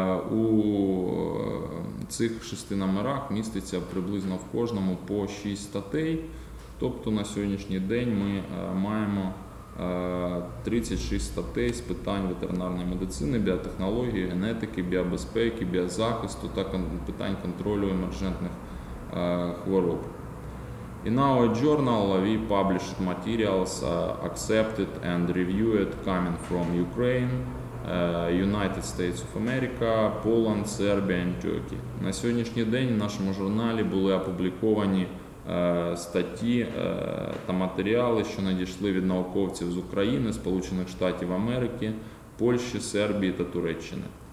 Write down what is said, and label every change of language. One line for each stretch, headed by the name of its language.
Ukrainian: У цих 6 номерах міститься приблизно в кожному по 6 статей. Тобто на сьогоднішній день ми маємо 36 статей з питань ветеринарної медицини, біотехнології, генетики, біобезпеки, біозахисту та питань контролю емерджентних хвороб.
English: In our journal we published materials accepted and reviewed coming from Ukraine, United States of America, Poland, Serbia and Turkey.
Ukrainian: На сьогоднішній день в нашому журналі були опубліковані статті та матеріали, що надійшли від науковців з України, Сполучених Штатів Америки, Польщі, Сербії та Туреччини.